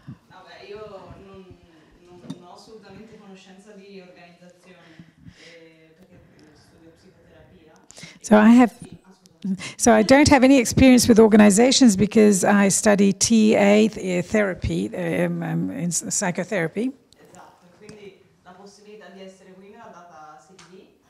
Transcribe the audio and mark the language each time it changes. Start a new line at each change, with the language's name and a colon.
Italian: Vabbè, io non ho assolutamente conoscenza di organizzazione, perché studio psicoterapia.
English: So I don't have any experience with organizations because I study TA therapy, in psychotherapy.
Italian: Esatto, quindi la possibilità di essere qui me l'ha data CD.